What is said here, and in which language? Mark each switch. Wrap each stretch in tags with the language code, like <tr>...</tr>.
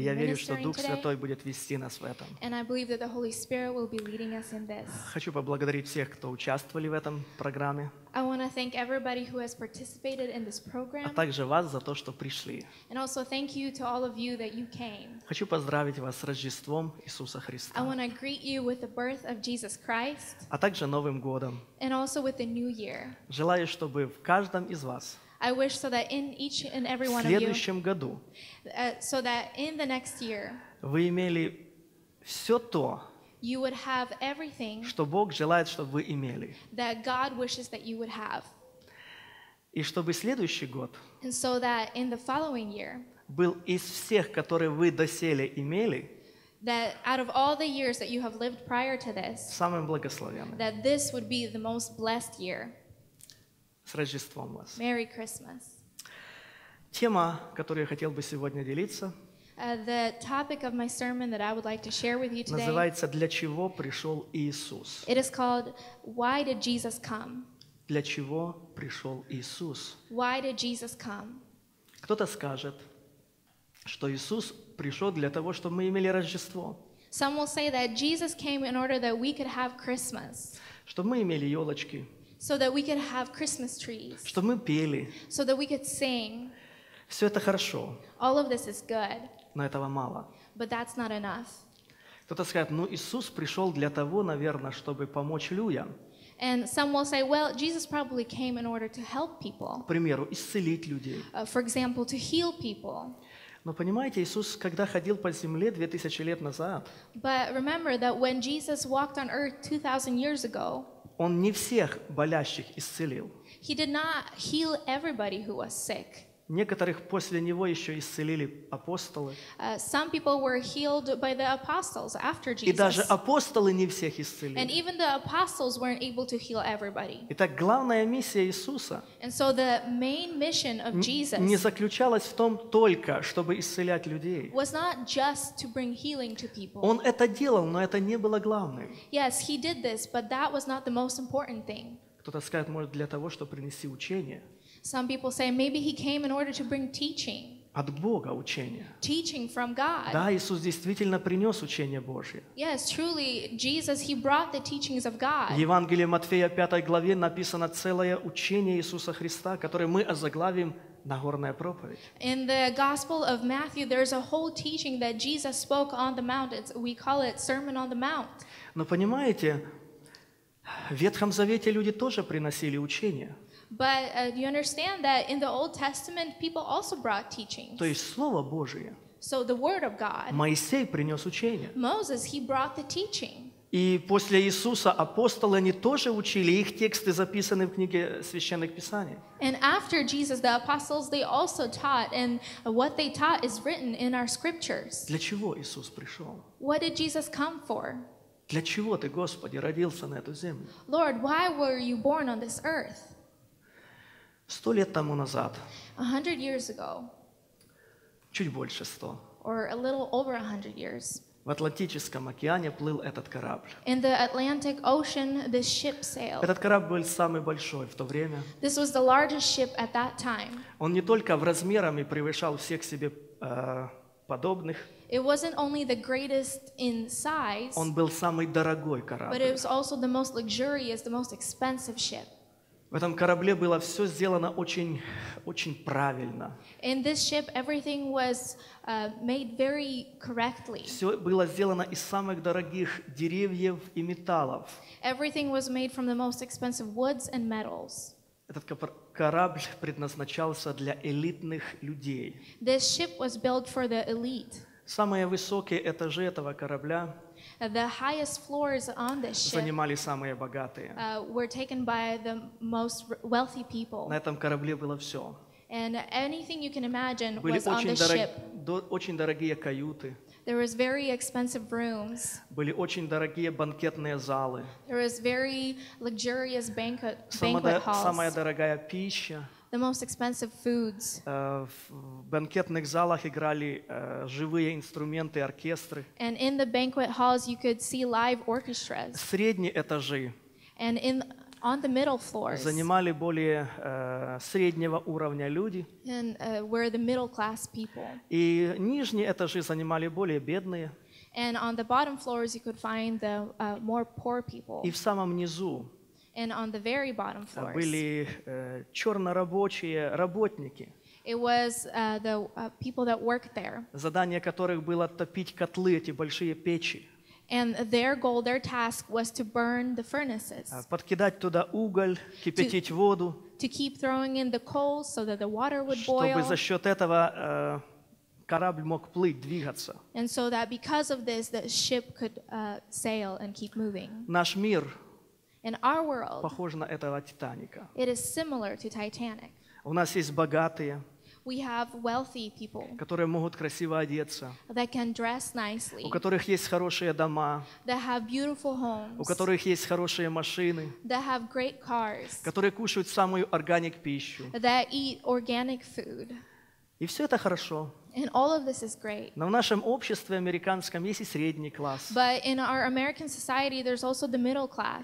<ru>Я верю, что Дух Святой будет вести нас в этом.</ru> <en>And I believe that the Holy Spirit will be leading us in this.</en> <ru>Хочу поблагодарить всех, кто участвовали в этом программе.</ru> <en>I want to thank everybody who has participated in this program.</en> <ru>А также вас за то, что пришли.</ru> <en>And also thank you to all of you that you came.</en> <ru>Хочу поздравить вас с Рождеством Иисуса Христа.</ru> <en>I want to greet you with the birth of Jesus Christ.</en> <ru>А также Новым годом.</ru> <en>And also with the new year.</en> <ru>Желаю, чтобы в каждом из вас</ru> <en>I wish so that in each and every one of you,</en> <ru>в следующем году,</ru> <en>so that in the next year,</en> <ru>вы имели все то,</ru> <en>you would have everything,</en> <ru>что Бог желает, чтобы вы имели,</ru> <en>that God wishes that you would have,</en> <ru>и чтобы следующий год,</ru> <en>and so that in the following year,</en> <ru>был из всех, которые вы доселе имели,</ru> <en>that out of all the years that you have lived prior to this,</en> <ru>самым благословенным,</ru> <en>that this would be the most blessed year.</en> <ru>С Рождеством вас.</ru> <en>Merry Christmas.</en> <ru>Тема, которую я хотел бы сегодня делиться,</ru> <en>the topic of my sermon that I would like to share with you today,</en> <ru>называется «Для чего пришел Иисус?».</ru> <en>It is called «Why did Jesus come?».</en> <ru>Для чего пришел Иисус?</ru> <en>Why did Jesus come?</en> <ru>Кто-то скажет, что Иисус пришел для того, чтобы мы имели Рождество.</ru> <en>Some will say that Jesus came in order that we could have Christmas.</en> <ru>Чтобы мы имели елочки.</ru> <en>So that we could have Christmas trees.</en> <ru>Чтобы мы пели.</ru> <en>So that we could sing.</en> <ru>Все это хорошо.</ru> <en>All of this is good.</en> <ru>Но этого мало.</ru> <en>But that's not enough.</en> <ru>Кто-то скажет, ну Иисус пришел для того, наверное, чтобы помочь людям.</ru> <en>And some will say, well, Jesus probably came in order to help people.</en> <ru>К примеру, исцелить людей.</ru> <en>For example, to heal people.</en> <ru>Но понимаете, Иисус, когда ходил по земле 2000 лет назад,</ru> <en>but remember that when Jesus walked on earth 2000 years ago,</en> <ru>Он не всех болящих исцелил.</ru> <en>He did not heal everybody who was sick.</en> <ru>Некоторых после Него еще исцелили апостолы.</ru> <en>Some people were healed by the apostles after Jesus.</en> <ru>И даже апостолы не всех исцелили.</ru> <en>And even the apostles weren't able to heal everybody.</en> <ru>Итак, главная миссия Иисуса,</ru> <en>and so the main mission of Jesus,</en> <ru>не заключалась в том только, чтобы исцелять людей.</ru> <en>Was not just to bring healing to people.</en> <ru>Он это делал, но это не было главным.</ru> <en>Yes, he did this, but that was not the most important thing.</en> <ru>Кто-то скажет, может, для того, чтобы принести учение.</ru> <en>Some people say maybe he came in order to bring teaching.</en> <ru>От Бога учение.</ru> <en>Teaching from God.</en> <ru>Да, Иисус действительно принес учение Божье.</ru> <en>Yes, truly, Jesus, he brought the teachings of God.</en> <ru>В Евангелии Матфея 5 главе написано целое учение Иисуса Христа, которое мы озаглавим Нагорная проповедь.</ru> <en>In the Gospel of Matthew, there's a whole teaching that Jesus spoke on the Mount. It's, we call it Sermon on the Mount.</en> <ru>Но понимаете, в Ветхом Завете люди тоже приносили учение.</ru> <en>But you understand that in the Old Testament people also brought teachings.</en> <ru>То есть слово Божие.</ru> <en>So the word of God.</en> <ru>Моисей принес учение.</ru> <en>Moses, he brought the teaching.</en> <ru>И после Иисуса апостолы они тоже учили, их тексты записаны в книге священных писаний.</ru> <en>And after Jesus the apostles they also taught and what they taught is written in our scriptures.</en> <ru>Для чего Иисус пришел?</ru> <en>What did Jesus come for?</en> <ru>Для чего ты, Господи, родился на эту землю?</ru> <en>Lord, why were you born on this earth?</en> <ru>100 лет тому назад.</ru> <en>100 years ago.</en> <ru>Чуть больше 100.</ru> <en>Or a little over 100 years.</en> <ru>В Атлантическом океане плыл этот корабль.</ru> <en>In the Atlantic Ocean, this ship sailed.</en> <ru>Этот корабль был самый большой в то время.</ru> <en>This was the largest ship at that time.</en> <ru>Он не только в размерах превышал всех себе подобных.</ru> <en>It wasn't only the greatest in size.</en> <ru>Он был самый дорогой корабль.</ru> <en>But it was also the most luxurious, the most expensive ship.</en> <ru>В этом корабле было все сделано очень, очень правильно.</ru> <en>In this ship, everything was made very correctly.</en> <ru>Все было сделано из самых дорогих деревьев и металлов.</ru> <en>Everything was made from the most expensive woods and metals.</en> <ru>Этот корабль предназначался для элитных людей.</ru> <en>This ship was built for the elite.</en> <ru>Самые высокие этажи этого корабля.</ru> <en>The highest floors on this ship</en> <ru>занимали самые богатые.</ru> <en>Were taken by the most wealthy people.</en> <ru>На этом корабле было все.</ru> <en>And anything you can imagine</en> <ru>были</ru> <en>was on this ship.</en> <ru>Очень дорогие каюты.</ru> <en>There was very expensive rooms.</en> <ru>Были очень дорогие банкетные залы.</ru> <en>There was very luxurious banquet halls.</en> <ru>Самая дорогая пища.</ru> <en>The most expensive foods.</en> <ru>В банкетных залах играли живые инструменты, оркестры.</ru> <en>And in the banquet halls you could see live orchestras.</en> <ru>Средние этажи.</ru> <en>And in on the middle floors.</en> <ru>Занимали более среднего уровня люди.</ru> <en>And were the middle class people.</en> <ru>И нижние этажи занимали более бедные.</ru> <en>And on the bottom floors you could find the more poor people.</en> <ru>И в самом низу.</ru> <en>And on the very bottom floors.</en> <ru>Были чернорабочие работники.</ru> <en>It was the people that worked there.</en> <ru>Задание которых было топить котлы, эти большие печи.</ru> <en>And their goal, their task was to burn the furnaces.</en> <ru>Подкидать туда уголь, кипятить воду.</ru> <en>To keep throwing in the coal so that the water would boil.</en> <ru>Чтобы за счет этого корабль мог плыть, двигаться.</ru> <en>And so that because of this, the ship could sail and keep moving.</en> <ru>Наш мир.</ru> <en>And our world.</en> <ru>Похож на этого Титаника.</ru> <en>It is similar to Titanic.</en> <ru>У нас есть богатые.</ru> <en>We have wealthy people,</en> <ru>которые могут красиво одеться,</ru> <en>that can dress nicely,</en> <ru>у которых есть хорошие дома,</ru> <en>that have beautiful homes,</en> <ru>у которых есть хорошие машины,</ru> <en>that have great cars,</en> <ru>которые кушают самую органик пищу,</ru> <en>that eat organic food.</en> <ru>И все это хорошо.</ru> <en>And all of this is great.</en> <ru>Но в нашем обществе американском есть и средний класс.</ru> <en>But in our American society, there's also the middle class.</en>